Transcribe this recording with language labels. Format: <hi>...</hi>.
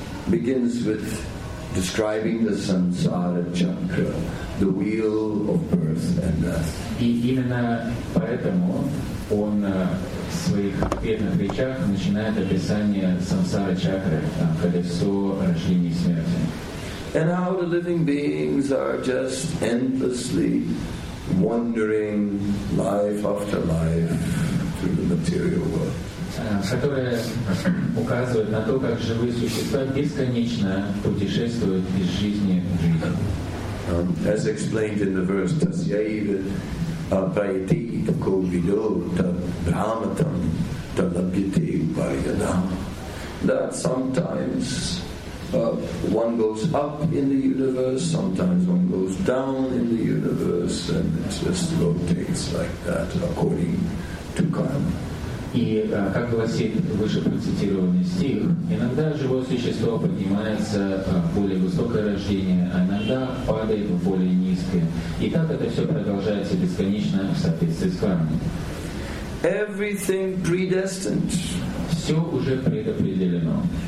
<en>Begins with describing the samsara chakra, the wheel of birth and death.</en> <ru>И именно поэтому он в своих первых речах начинает описание самсара чакры, колесо рождения и смерти.</ru> <en>And how the living beings are just endlessly wandering life after life through the material world.</en> <ru>Которая указывает на то, как живые существа бесконечно путешествуют из жизни в жизнь.</ru> <en>As explained in the verse,</en> <sa>tasyaiva apayati tako vido tad brahmatam tad labhyate upayana.</sa> <en>That sometimes One goes up in the universe, sometimes one goes down in the universe, and it just rotates like that according to karma.</en> <ru>И как гласит выше процитированный стих, иногда живое существо поднимается в более высокое рождение, а иногда падает в более низкое. И так это все продолжается бесконечно в соответствии с кармой.</ru> <en>Everything predestined.</en> <ru>Все уже предопределено.</ru>